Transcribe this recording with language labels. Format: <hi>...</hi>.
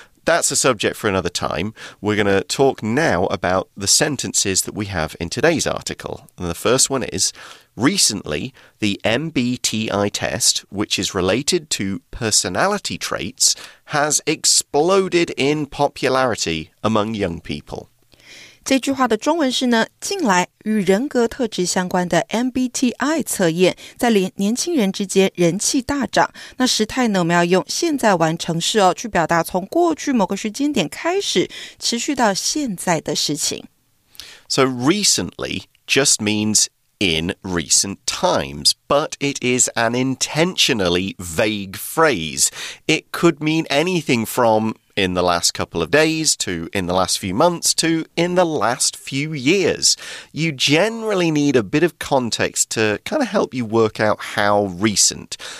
<en>That's a subject for another time. We're going to talk now about the sentences that we have in today's article. And the first one is... Recently, the MBTI test, which is related to personality traits, has exploded in popularity among young people.</en> <zh>这句话的中文是呢，近来与人格特质相关的 MBTI 测验在年轻人之间人气大涨。那时态呢，我们要用现在完成式哦，去表达从过去某个时间点开始，持续到现在的事情。</zh> <en>So recently just means... In recent times, but it is an intentionally vague phrase. It could mean anything from in the last couple of days to in the last few months to in the last few years. You generally need a bit of context to kind of help you work out how recent.</en>